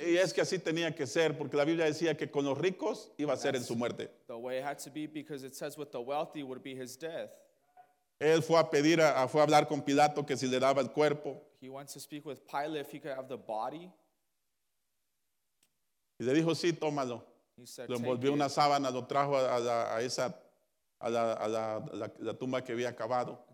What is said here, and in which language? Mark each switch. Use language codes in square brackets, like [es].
[es] Y es que así tenía que ser, porque la Biblia decía que con los ricos iba a ser en su muerte. [en] The way it had to be, because it says with the wealthy would be his death. [es] Él fue a pedir, fue a hablar con Pilato que si le daba el cuerpo. [en] He went to speak with Pilate if he could have the body. [es] Y le dijo, sí, tómalo. [en] He said, [es] lo envolvió una sábana, lo trajo a la tumba que había acabado.